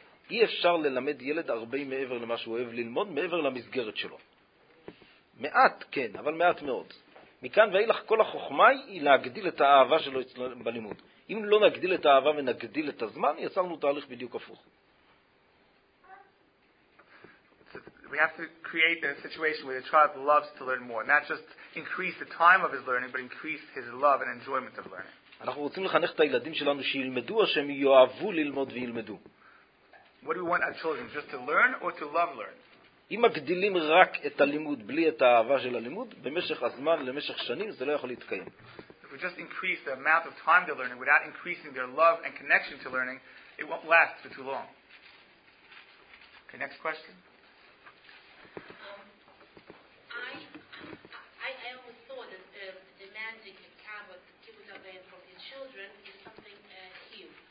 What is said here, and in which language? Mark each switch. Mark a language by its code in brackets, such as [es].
[he] אי אפשר ללמד ילד הרבה מעבר למה שהוא אוהב ללמוד, מעבר למסגרת שלו. מעט, כן, אבל מעט מאוד. מכאן ואילך כל החוכמה היא להגדיל את האהבה שלו בלימוד. אם לא נגדיל את האהבה ונגדיל את הזמן, יצרנו תהליך בדיוק הפוך. [en] We have to create a situation where the child loves to learn more, not just increase the time of his learning, but increase his love and enjoyment of learning. [he] אנחנו רוצים לחנך את הילדים שלנו שילמדו, או שהם יאהבו ללמוד וילמדו. [en] What do we want our children, just to learn or to love learn? [he] אם מגדילים רק את הלימוד בלי את האהבה של הלימוד, במשך הזמן, למשך שנים, זה לא יכול להתקיים. [en] We just increase the amount of time they're learning without increasing their love and connection to learning, it won't last for too long. Okay, next question. I always thought that demanding a cab or kibbutz from his children is something here.